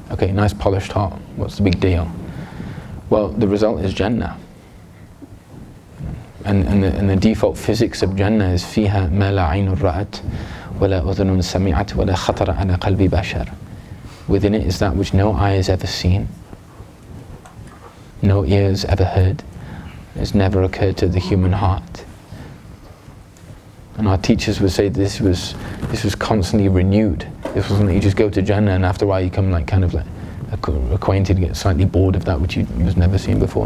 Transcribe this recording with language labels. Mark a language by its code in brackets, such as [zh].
[en] Okay, nice polished heart, what's the big deal? Well, the result is Jannah. And the default physics of Jannah is [ar] فيها ما لا عين رأت ولا أذن سمعت ولا خطر على قلب بشر. [en] Within it is that which no eye has ever seen, no ears ever heard, has never occurred to the human heart. And our teachers would say this was constantly renewed. This wasn't that you just go to Jannah and after a while you come acquainted, get slightly bored of that which you have never seen before.